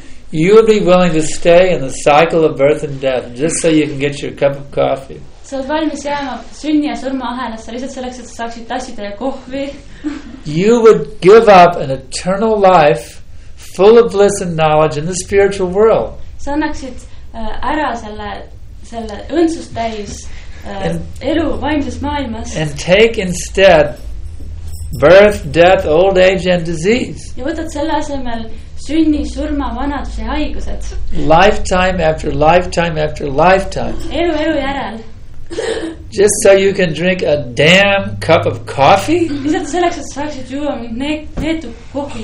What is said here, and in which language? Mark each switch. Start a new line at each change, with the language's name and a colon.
English: You would be willing to stay in the cycle of birth and death just so you can get your cup of coffee.
Estonian: Sa oled valmis jääma sünni ja surma ahelasse lihtsalt selleks, et sa saaksid tassida ja kohvi.
English: You would give up an eternal life full of bliss and knowledge in the spiritual world.
Estonian: Sa annaksid ära selle õndsustäis elu vaimses maailmas.
English: And take instead birth, death, old age and disease.
Estonian: Ja võtad selle asemel sünni, surma, vanadus ja haigused.
English: Lifetime after lifetime after lifetime.
Estonian: Elu järel.
English: Just so you can drink a damn cup of coffee?
Estonian: Mis on selleks, et saaksid juua neetu kohvi